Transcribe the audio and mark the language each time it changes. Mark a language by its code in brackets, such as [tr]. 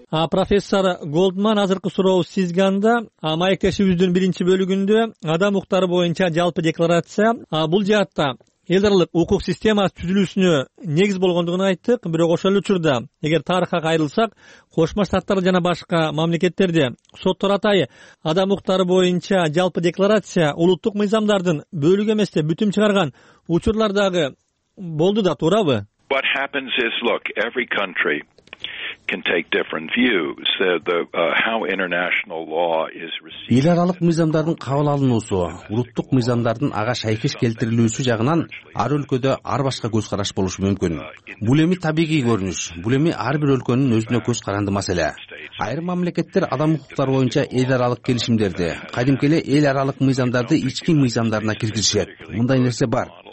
[ky] Профессор Голдман, азыркы суроо сизге анда. Маектешибиздин биринчи бөлүгүндө адам укуктары боюнча жалпы декларация бул жаатта элдерлик укук системасы түзүлүүсүнө негиз болгондугун айттык. Бирок ошол эле учурда эгер тарыхка кайрылсак, Кошмо Штаттар жана башка мамлекеттерде соттор атайы адам укуктары боюнча жалпы декларация улуттук мыйзамдардын бөлүгү эмес деп бүтүм чыгарган учурлар дагы болду да, туурабы? [en] What happens is, look, every country can take different views. How international law is received. [ky] Эл аралык мыйзамдардын кабыл алынуусу, улуттук мыйзамдардын ага шайкеш келтирилүүсү жагынан ар өлкөдө ар башка көз караш болушу мүмкүн. Бул эми табигый көрүнүш. Бул эми ар бир өлкөнүн өзүнө көз каранды маселе. Айрым мамлекеттер адам укуктары боюнча эл аралык келишимдерди, кадимки эле эл аралык мыйзамдарды ички мыйзамдарына киргизишет. Мындай нерсе бар.